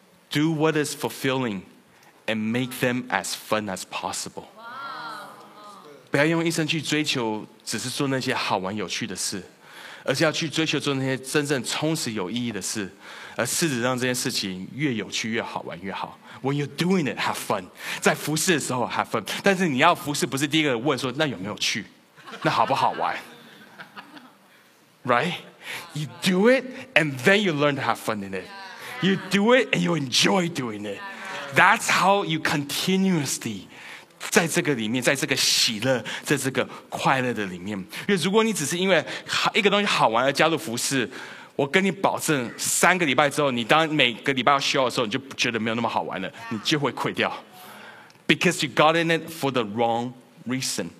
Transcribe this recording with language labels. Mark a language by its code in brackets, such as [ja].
[en] Do what is fulfilling and make them as fun as possible. [zh] 不要用一生去追求，只是做那些好玩有趣的事，而是要去追求做那些真正充实有意义的事。而试着让这件事情越有趣越好玩越好。 [en] When you're doing it, have fun. [zh] 在服侍的时候 [en] have fun. [zh] 但是你要服侍，不是第一个问说那有没有趣，那好不好玩 ？ [en] Right? You do it, and then you learn to have fun in it. You do it, and you enjoy doing it. That's how you continuously [zh] 在这个里面，在这个喜乐，在这个快乐的里面。因为如果你只是因为一个东西好玩而加入服侍，我跟你保证三个礼拜之后，你当每个礼拜要show的时候，你就觉得没有那么好玩了，你就会quit掉。 [en] Because you got in it for the wrong reason.